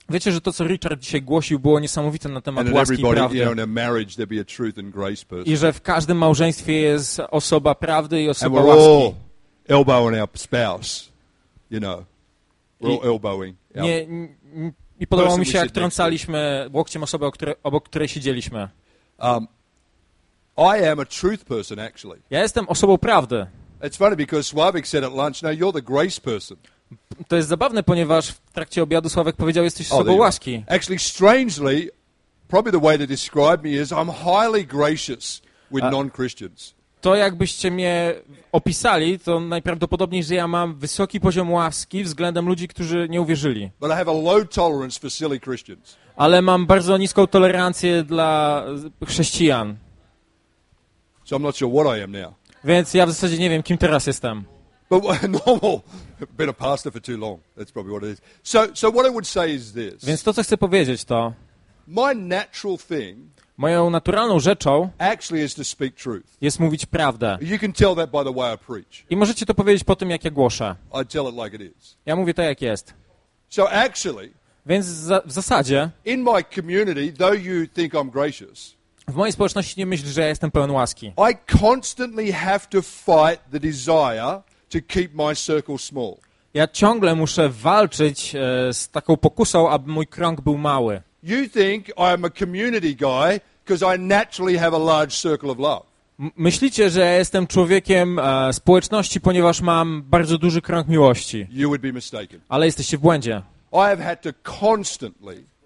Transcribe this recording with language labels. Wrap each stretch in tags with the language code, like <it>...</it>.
<pl>Wiecie, że to, co Richard dzisiaj głosił, było niesamowite na temat łaski i prawdy.</pl> <en>You know, marriage, there be a truth and grace person.</en> <pl>I że w każdym małżeństwie jest osoba prawdy i osoba</pl> <en>and we're</en> <pl>łaski.</pl> <en>All elbowing our spouse, you know. We're all elbowing.</en> <pl>I podobało mi się, jak trącaliśmy łokciem osobę, obok której siedzieliśmy.</pl> <en>I am a truth person, actually.</en> <pl>Ja jestem osobą prawdy.</pl> <en>It's funny because Sławek said at lunch, no, you're the grace person.</en> <pl>To jest zabawne, ponieważ w trakcie obiadu Sławek powiedział, jesteś osobą łaski.</pl> <en>Actually, strangely, probably the way to describe me is I'm highly gracious with non-Christians.</en> <pl>To jakbyście mnie opisali, to najprawdopodobniej, że ja mam wysoki poziom łaski względem ludzi, którzy nie uwierzyli.</pl> <en>But I have a low tolerance for silly Christians.</en> <pl>Ale mam bardzo niską tolerancję dla chrześcijan.</pl> <en>So I'm not sure what I am now.</en> <pl>Więc ja w zasadzie nie wiem, kim teraz jestem.</pl> <en>But normal, been a pastor for too long. That's probably what it is. So what I would say is this.</en> <pl>Więc to, co chcę powiedzieć, to</pl> <en>my natural thing,</en> <pl>moją naturalną rzeczą,</pl> <en>actually is to speak truth.</en> <pl>Jest mówić prawdę.</pl> <en>You can tell that by the way I preach.</en> <pl>I możecie to powiedzieć po tym, jak ja głoszę.</pl> <en>I tell it like it is.</en> <pl>Ja mówię to, jak jest.</pl> <en>So actually,</en> <pl>więc w zasadzie,</pl> <en>in my community, though you think I'm gracious,</en> <pl>w mojej społeczności nie myślisz, że ja jestem pełen łaski.</pl> <en>I constantly have to fight the desire to keep my circle small.</en> <pl>Ja ciągle muszę walczyć z taką pokusą, aby mój krąg był mały.</pl> <en>You think I am a community guy because I naturally have a large circle of love.</en> <pl>Myślicie, że ja jestem człowiekiem społeczności, ponieważ mam bardzo duży krąg miłości.</pl> <en>You would be mistaken.</en> <pl>Ale jesteście w błędzie.</pl> <en>I have had to constantly</en>